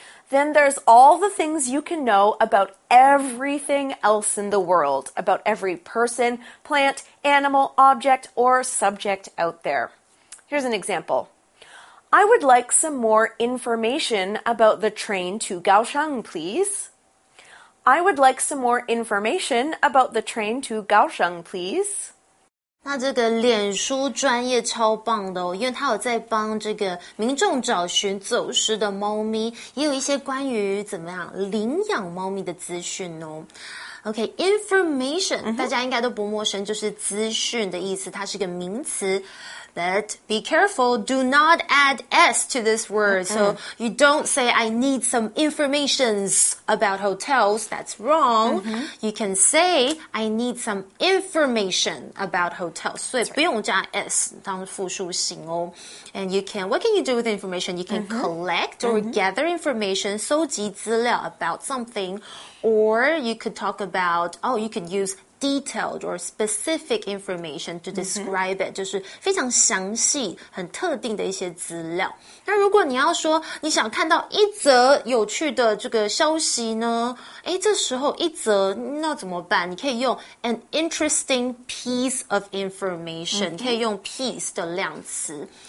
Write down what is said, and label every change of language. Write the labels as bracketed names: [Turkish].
[English] Then there's all the things you can know about everything else in the world, about every person, plant, animal, object, or subject out there. Here's an example. I would like some more information about the train to Kaohsiung, please. I would like some more information about the train to Kaohsiung, please. [Chinese] 那这个脸书专业超棒的哦，因为它有在帮这个民众找寻走失的猫咪，也有一些关于怎么样领养猫咪的资讯哦。 [English] OK, information,、 [Chinese] mm-hmm. 大家应该都不陌生，就是资讯的意思，它是个名词。 [English] But be careful, do not add S to this word.、Mm-hmm. So you don't say, I need some informations about hotels. That's wrong.、Mm-hmm. You can say, I need some information about hotels. [Chinese] 所以不用加 S 当复数型哦。 [English] And you can, what can you do with information? You can、mm-hmm. collect or、mm-hmm. gather information, [Chinese] 收集资料 [English] about something. Or you could talk about, oh, you could use detailed or specific information to describe、mm-hmm. it. [Chinese] 就是非常详细、很特定的一些资料。那如果你要说你想看到一则有趣的这个消息呢？诶，这时候一则，那怎么办？你可以用 [English] an interesting piece of information,、 [Chinese] mm-hmm. 可以用 piece 的量词。